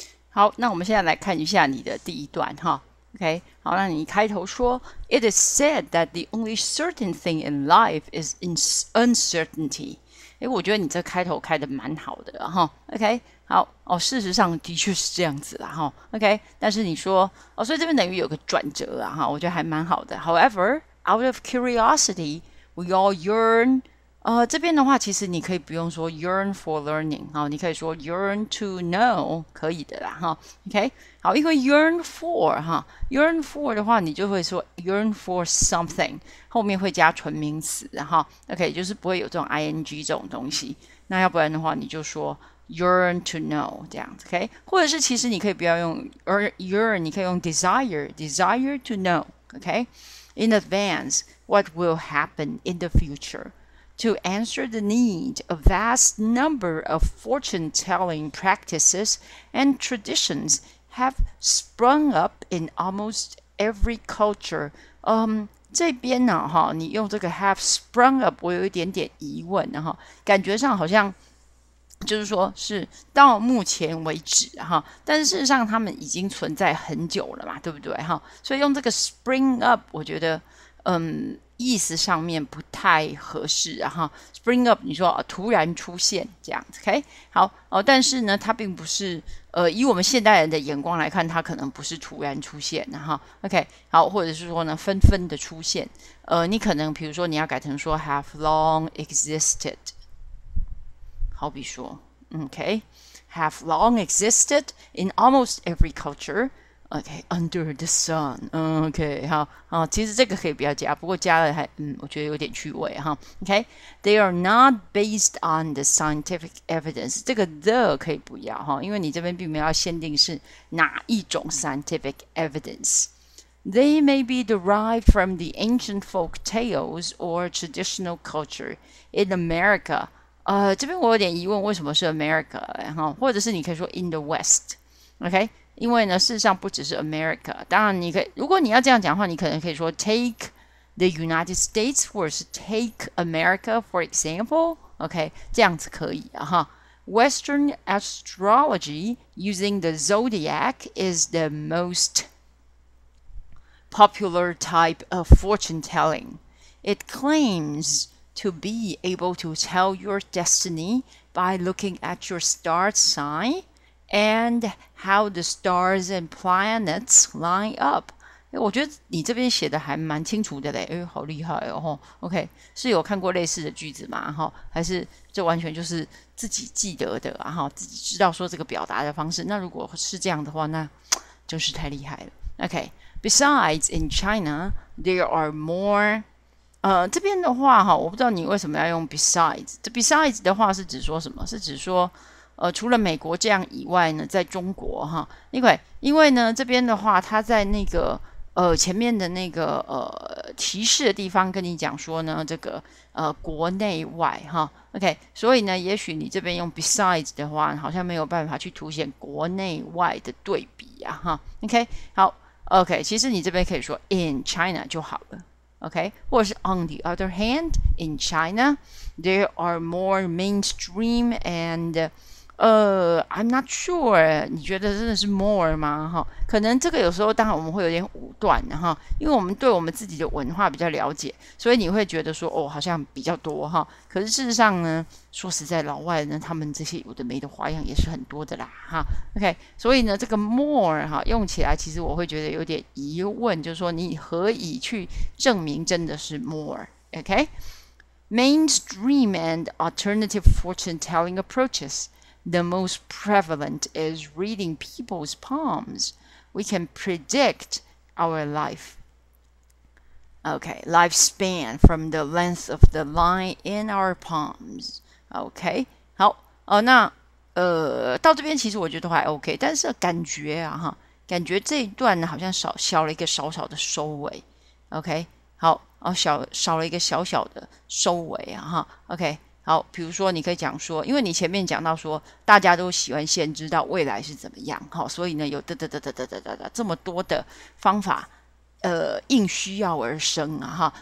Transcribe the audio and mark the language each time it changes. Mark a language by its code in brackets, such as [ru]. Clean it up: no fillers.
[zh] 好，那我们现在来看一下你的第一段哈。 [en] OK， [zh] 好，那你一开头说， [en] It is said that the only certain thing in life is uncertainty。 [zh] 哎，我觉得你这开头开得蛮好的哈。OK，好哦，事实上的确是这样子啦哈。 OK，但是你说哦，所以这边等于有个转折啊哈，我觉得还蛮好的。 [en] However, out of curiosity, we all yearn。 [zh] 这边的话，其实你可以不用说 [en] yearn for learning [zh] 哈，你可以说 [en] yearn to know， [zh] 可以的啦哈。 OK，好，因为 yearn for 哈，yearn for 的话，你就会说 [en] yearn for something， [zh] 后面会加纯名词哈。 OK，就是不会有这种 ing 这种东西。那要不然的话，你就说 [en] yearn to know [zh] 这样子，OK？或者是其实你可以不要用 [en] yearn， [zh] 你可以用 [en] desire to know，OK？In advance what will happen in the future。 To answer the need, a vast number of fortune-telling practices and traditions have sprung up in almost every culture. [zh] 这边呢，哈，你用这个 have sprung up，我有一点点疑问，哈，感觉上好像就是说是到目前为止，哈，但是事实上他们已经存在很久了嘛，对不对，哈？所以用这个 spring up，我觉得，意思上面不太合适啊哈，spring up 你说、啊、突然出现这样子，OK 好哦，但是呢，它并不是以我们现代人的眼光来看，它可能不是突然出现的哈，OK 好，或者是说呢，纷纷的出现，你可能比如说你要改成说 [en] have long existed， [zh] 好比说， [en] OK have long existed in almost every culture。 Okay, under the sun. [zh] Okay, 好啊，其实这个可以不要加，不过加了还我觉得有点趣味哈。 [en] Okay, they are not based on the scientific evidence. [zh] 这个 the 可以不要哈，因为你这边并没有限定是哪一种 scientific evidence. [en] They may be derived from the ancient folk tales or traditional culture in America. [zh] 这边我有点疑问，为什么是 America 哈？或者是你可以说 [en] in the West. [zh] Okay. 因为呢，事实上不只是 America。当然，你可以，如果你要这样讲的话，你可能可以说 [en] take the United States [zh] 或者是 [en] take America for example。 [zh] OK，这样子可以啊哈。 [en] Western astrology using the zodiac is the most popular type of fortune telling. It claims to be able to tell your destiny by looking at your star sign. And how the stars and planets line up？ [zh] 哎，我觉得你这边写的还蛮清楚的嘞，哎，好厉害哦！吼，OK，是有看过类似的句子吗？哈，还是这完全就是自己记得的啊？哈，自己知道说这个表达的方式。那如果是这样的话，那真是太厉害了。 [en] OK，besides in China there are more。 [zh] 这边的话哈，我不知道你为什么要用 besides。这 besides 的话是指说什么？是指说。除了美国这样以外呢，在中国哈，因为呢这边的话，他在那个前面的那个提示的地方跟你讲说呢，这个国内外哈 ，OK， 所以呢，也许你这边用 besides 的话，好像没有办法去凸显国内外的对比啊哈 ，OK， 好 ，OK， 其实你这边可以说 [en] in China [zh] 就好了。 [en] OK， [zh] 或者是 [en] On the other hand, in China, there are more mainstream and, I'm not sure. [zh] 你觉得真的是 more 吗？哈，可能这个有时候当然我们会有点武断的哈，因为我们对我们自己的文化比较了解，所以你会觉得说哦，好像比较多哈。可是事实上呢，说实在，老外呢，他们这些有的没的花样也是很多的啦哈。 OK， 所以呢，这个 more 哈用起来，其实我会觉得有点疑问，就是说你何以去证明真的是 more？OK，mainstream、okay? [en] and alternative fortune telling approaches。 The most prevalent is reading people's palms. We can predict our life. Okay, lifespan from the length of the line in our palms. [zh] Okay, 好，那到这边其实我觉得还 OK， 但是感觉啊哈，感觉这一段呢好像少小了一个少少的收尾。 Okay, 好，少了一个小小的收尾啊哈。Okay。好，比如说你可以讲说，因为你前面讲到说大家都喜欢先知道未来是怎么样，好，所以呢有这么多的方法，应需要而生啊哈。